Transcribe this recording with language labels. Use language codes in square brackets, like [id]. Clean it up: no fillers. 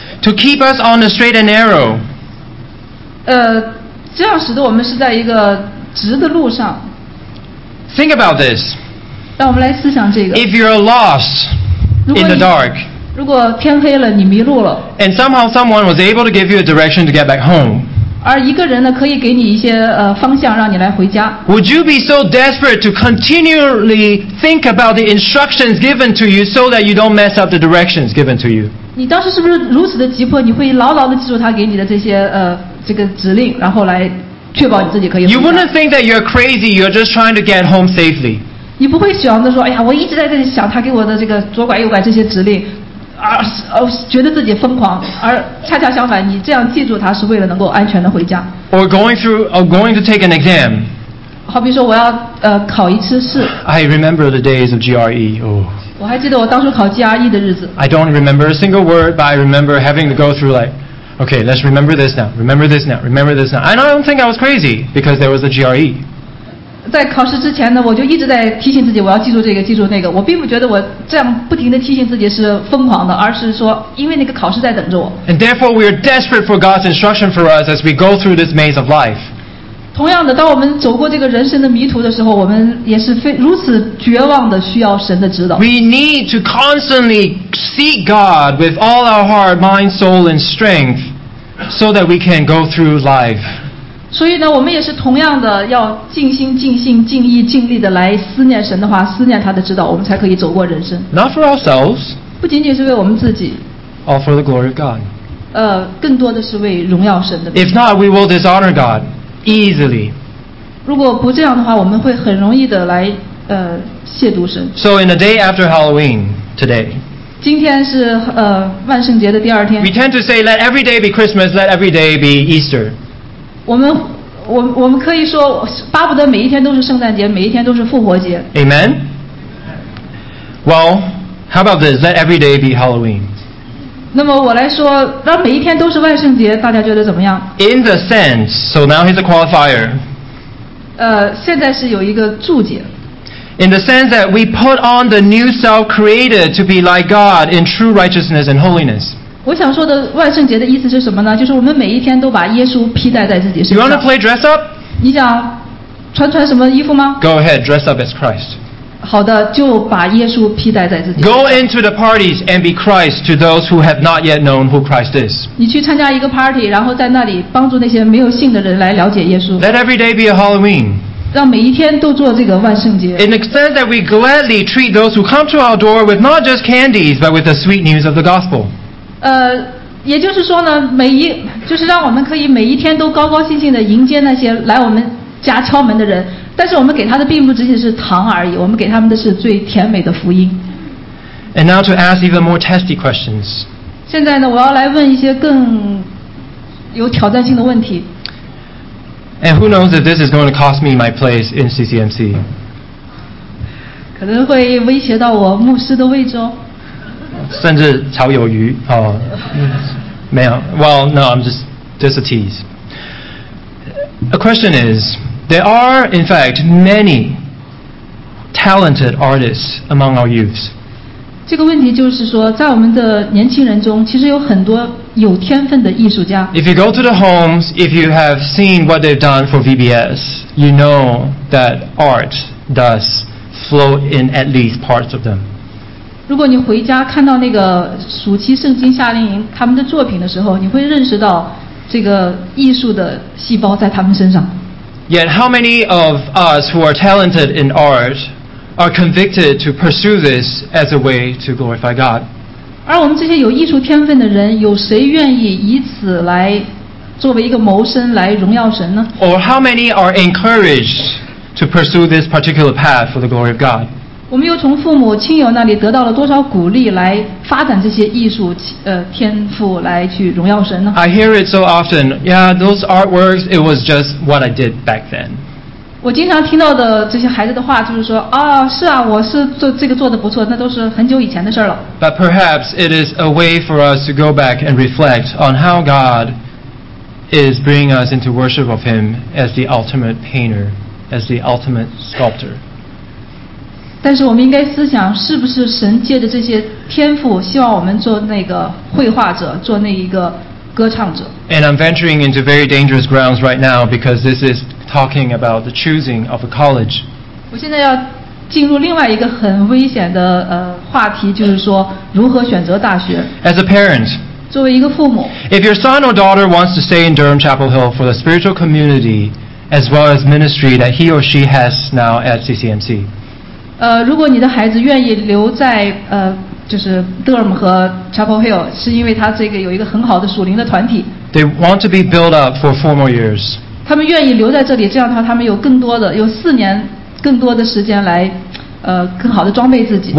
[en] To keep us on the straight and narrow. [zh] 这样使得我们是在一个直的路上。 [en] Think about this. [zh] 让我们来思想这个。 [en] If you're lost in the dark, [zh] 如果天黑了，你迷路了。 [en] And somehow someone was able to give you a direction to get back home. [zh] 而一个人呢，可以给你一些方向，让你来回家。 [en] Would you be so desperate to continually think about the instructions given to you so that you don't mess up the directions given to you? [zh] 你当时是不是如此的急迫？你会牢牢地记住他给你的这些这个指令，然后来确保你自己可以。 [en] You wouldn't think that you're crazy. You're just trying to get home safely. [zh] 你不会想着说，哎呀，我一直在这里想他给我的这个左拐右拐这些指令，觉得自己疯狂。而恰恰相反，你这样记住它是为了能够安全的回家。 [en] Or going through, or going to take an exam. [zh] 好比说，我要考一次试。 [en] I remember the days of GRE. Oh. [zh] 我还记得我当初考 GRE 的日子。 [en] I don't remember a single word, but I remember having to go through like. Okay, let's remember this now. Remember this now. Remember this now. I don't think I was crazy because there was a GRE. [zh] 在考试之前呢，我就一直在提醒自己，我要记住这个，记住那个。我并不觉得我这样不停的提醒自己是疯狂的，而是说因为那个考试在等着我。 [en] And therefore, we are desperate for God's instruction for us as we go through this maze of life. [zh] 同样的，当我们走过这个人生的迷途的时候，我们也是非如此绝望的需要神的指导。 [en] We need to constantly seek God with all our heart, mind, soul, and strength, so that we can go through life. [zh] 所以呢，我们也是同样的要尽心、尽性、尽意、尽力的来思念神的话，思念他的指导，我们才可以走过人生。 [en] Not for ourselves. [zh] 不仅仅是为我们自己。 [en] All for the glory of God. [zh] 更多的是为荣耀神的。 [en] If not, we will dishonor God. Easily. [zh] 如果不这样的话，我们会很容易的来亵渎神。 [en] So in the day after Halloween today, [zh] 今天是万圣节的第二天。 [en] We tend to say, let every day be Christmas, let every day be Easter. [zh] 我们可以说，巴不得每一天都是圣诞节，每一天都是复活节。 [en] Amen. Well, how about this? Let every day be Halloween. [zh] 那么我来说，让每一天都是万圣节，大家觉得怎么样？ [en] In the sense, so now here's a qualifier. [zh] 现在是有一个注解。 [en] In the sense that we put on the new self created to be like God in true righteousness and holiness. [zh] 我想说的万圣节的意思是什么呢？就是我们每一天都把耶稣披戴在自己身上。 [en] You want to play dress up? [zh] 你想穿什么衣服吗？ [en] Go ahead, dress up as Christ. [zh] 好的，就把耶稣披戴在自己。 [en] Go into the parties and be Christ to those who have not yet known who Christ is. [zh] 你去参加一个 party， 然后在那里帮助那些没有信的人来了解耶稣。 [en] Let every day be a Halloween. [zh] 让每一天都做这个万圣节。 [en] In the sense that we gladly treat those who come to our door with not just candies but with the sweet news of the gospel. [zh] 也就是说呢，就是让我们可以每一天都高高兴兴的迎接那些来我们家敲门的人。但是我们给他的并不仅仅是糖而已，我们给他们的是最甜美的福音。 [en] And now to ask even more testy questions. [zh] 现在呢，我要来问一些更有挑战性的问题。 [en] And who knows if this is going to cost me my place in CCMC? [zh] 可能会威胁到我牧师的位置哦。甚至炒鱿鱼哦，没有。 [en] Well, no, I'm just a tease. A question is. There are, in fact, many talented artists among our youths. [zh] 这个问题就是说，在我们的年轻人中，其实有很多有天分的艺术家。 [en] If you go to the homes, if you have seen what they've done for VBS, you know that art does flow in at least parts of them. [zh] 如果你回家看到那个暑期圣经夏令营他们的作品的时候，你会认识到这个艺术的细胞在他们身上。 [en] Yet how many of us who are talented in art are convicted to pursue this as a way to glorify God? [zh] 而我们这些有艺术天分的人，有谁愿意以此来作为一个谋生来荣耀神呢？ [en] Or how many are encouraged to pursue this particular path for the glory of God? [zh] 我们又从父母亲友那里得到了多少鼓励来发展这些艺术天赋来去荣耀神呢？ [en] I hear it so often. Yeah, those artworks, it was just what I did back then. [zh] 我经常听到的这些孩子的话就是说，啊，是啊，我是做这个做得不错，那都是很久以前的事了。 [en] But perhaps it is a way for us to go back and reflect on how God is bringing us into worship of Him as the ultimate painter, as the ultimate sculptor. [zh] 但是我们应该思想，是不是神借着这些天赋，希望我们做那个绘画者，做那一个歌唱者 [en] ？And I'm venturing into very dangerous grounds right now because this is talking about the choosing of a college. [zh] 我现在要进入另外一个很危险的话题，就是说如何选择大学。 [en] As a parent, [zh] 作为一个父母 [en] ，If your son or daughter wants to stay in Durham Chapel Hill for the spiritual community as well as ministry that he or she has now at CCMC. [zh] 如果你的孩子愿意留在就是 Durham 和 Chapel Hill， 是因为他这个有一个很好的属灵的团体。 [en] They want to be built up for four more years. [zh] 他们愿意留在这里，这样的话他们有更多的有四年更多的时间来更好的装备自己。